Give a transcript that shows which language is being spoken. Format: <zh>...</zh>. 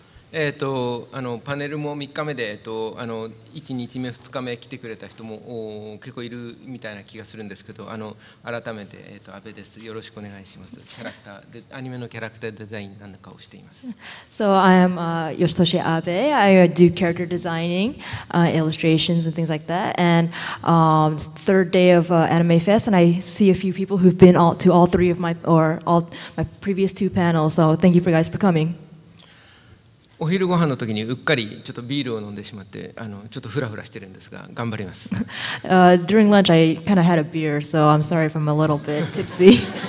<ja>パネルも3日目で、1日目2日目来てくれた人も結構いるみたいな気がするんですけど、改めて、阿部です。よろしくお願いします。キャラクターでアニメのキャラクターデザインなんかをしています。</ja> <en>So I am Yoshitoshi Abe. I do character designing, illustrations and things like that. And it's the third day of Anime Fest, and I see a few people who've been to all three of my or all my previous two panels. So thank you for guys for coming.</en> <ja>お昼ご飯の時にうっかりちょっとビールを飲んでしまってちょっとフラフラしてるんですが頑張ります。</ja> <en>During lunch I kind of had a beer, so I'm sorry if I'm a little bit tipsy.</en>